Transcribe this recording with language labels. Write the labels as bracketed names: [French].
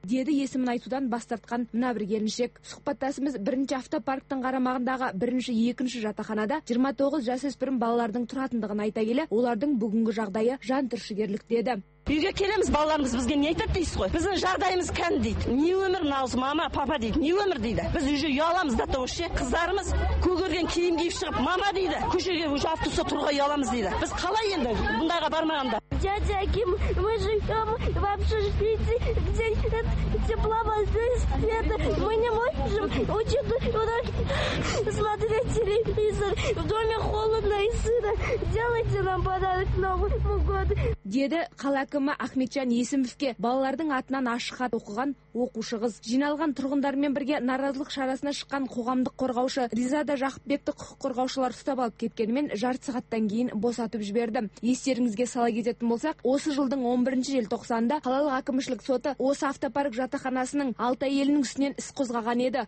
[Kazakh] Деді есімін айтудан бас тартқан мына бір келіншек. Сұхбаттасымыз бірінші автопарктің қарамағындағы бірінші екінші жатақханада 29 жасөспірім балалардың тұратындығын айта келе, олардың бүгінгі жағдайы жан түршігерлік деді. Үйге келеміз, балаларымыз бізге не айтады дейсіз ғой? Біздің жағдайымыз кән дейді. Не өмір мынау, мама, папа дейді. Не өмір дейді. Біз үже ұяламыз да то ше. Қыздарымыз көгерген киім киіп шығып, мама дейді. Көшеге уже автобуста тұруға ұяламыз дейді. Біз қалай енді бұндайға бармағанда? [Russian] Дядя Ким, мы живем в общежитии, где нет тепла, воды, света. Мы не можем смотреть телевизор. В доме холодно и сыро. Делайте нам подарок Новому году. [Kazakh] Деді қала әкімі Ахметжан Есімовке балалардың атынан ашық хат оқыған оқушы қыз. Жиналған тұрғындармен бірге наразылық шарасына шыққан қоғамдық қорғаушы Ризада Жақыпбекті құқық қорғаушылар ұстап алып кеткенімен жарты сағаттан кейін босатып жіберді. Естеріңізге сала кететін болсақ, осы жылдың 11-ші желтоқсанында қалалық әкімшілік соты осы автопарк жатақханасының алты әйелінің үстінен іс қозғаған еді.